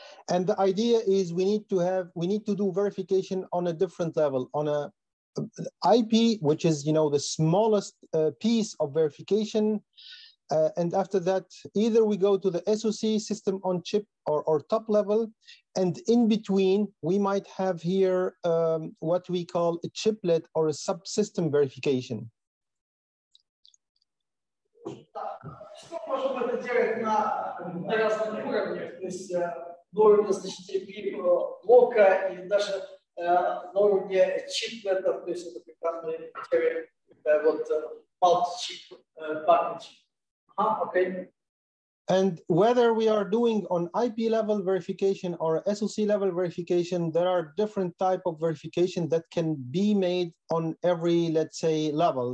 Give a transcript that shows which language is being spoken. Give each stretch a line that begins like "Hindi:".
English: And the idea is we need to do verification on a different level, on a IP, which is, you know, the smallest piece of verification. And after that, either we go to the SoC, system on chip, or top level. And in between, we might have here what we call a chiplet or a subsystem verification.
Russian: Что можем это делать на разных уровнях? То есть на уровне значительного блока и даже на уровне чиплетов, то есть это прекрасные вот мульти-чип, партнер-чип. Окей.
English: And whether we are doing on IP level verification or SoC level verification, there are different type of verification that can be made on every, let's say, level.